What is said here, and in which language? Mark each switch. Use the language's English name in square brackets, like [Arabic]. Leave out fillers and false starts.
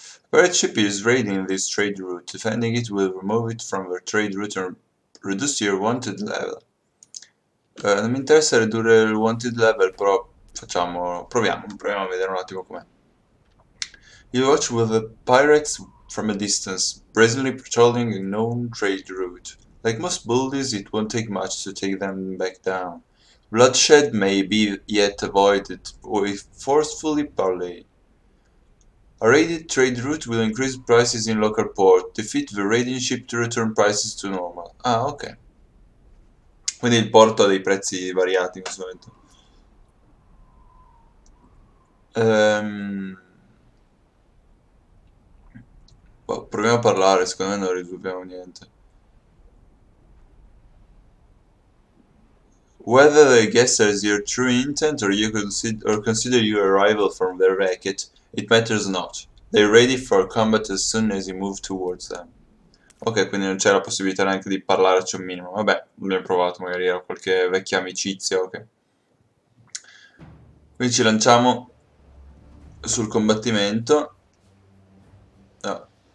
[English] Where a ship is raiding this trade route, defending it will remove it from the trade route and reduce your wanted level. [Italian] Non mi interessa ridurre il wanted level, però facciamo... proviamo a vedere un attimo com'è. [English] You watch with the pirates from a distance, brazenly patrolling a known trade route. Like most bullies, it won't take much to take them back down. Bloodshed may be yet avoided if forcefully parleyed. A raided trade route will increase prices in local port. Defeat the raiding ship to return prices to normal. [Italian] Ah, ok. Quindi il porto ha dei prezzi variati in questo momento. Proviamo a parlare, secondo me non risolviamo niente. [English] Whether the guesser is your true intent or you consider your arrival from the racket, it matters not. They're ready for combat as soon as you move towards them. [Italian] Ok, quindi non c'è la possibilità neanche di parlarci un minimo. Vabbè, l'abbiamo provato, magari era qualche vecchia amicizia, ok. Quindi ci lanciamo sul combattimento. No.